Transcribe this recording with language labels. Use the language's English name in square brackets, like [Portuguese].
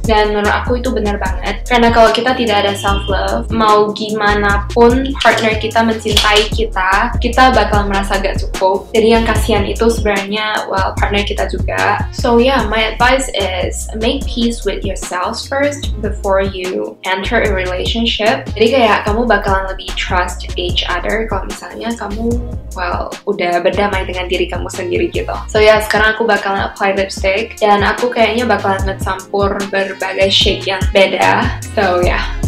[Indonesian] Dan menurut aku itu benar banget. Karena kalau kita tidak ada self-love, mau gimana pun partner kita mencintai kita, kita bakalan merasa gak cukup. Jadi yang kasihan itu sebenarnya, well, partner kita juga. [English] So yeah, my advice is make peace with yourselves first before you enter a relationship. [Indonesian] Jadi kayak kamu bakalan lebih [English] trust each other [Indonesian] kalau misalnya kamu, well, udah berdamai dengan diri kamu sendiri gitu. So yeah, sekarang aku bakalan apply lipstick dan aku kayaknya bakalan ngecampur berbagai shade yang beda. So yeah.